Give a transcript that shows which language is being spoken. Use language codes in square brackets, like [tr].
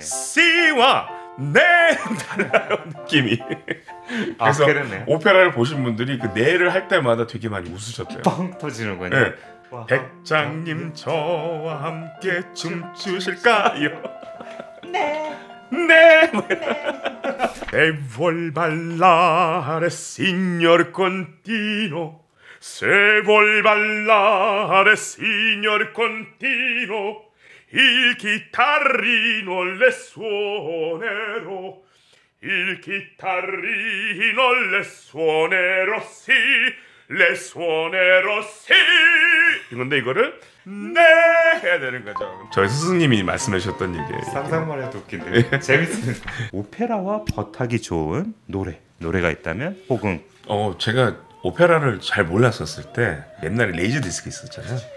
[ko] 씨와 네 달라요 느낌이. 그래서 아, 그랬네. 오페라를 보신 분들이 그 네를 할 때마다 되게 많이 웃으셨대요. 뻥 터지는군요. 네. 백장님 저와 함께 춤추실까요? 네. 네. 네. [it] E vuol ballare, signor Contino. Se vuol ballare, signor Contino. Il chitarrino le suonerò. Il chitarrino le suonerò, sì. Le suonerò, sì. [ko] 근데 이거를 네 해야 되는 거죠. 저희 스승님이 말씀하셨던 얘기예요. 상상만 해도 웃긴데 재밌는 오페라와 버타기 좋은 노래가 있다면 혹은 제가 오페라를 잘 몰랐었을 때 옛날에 레이저 디스크 있었잖아요.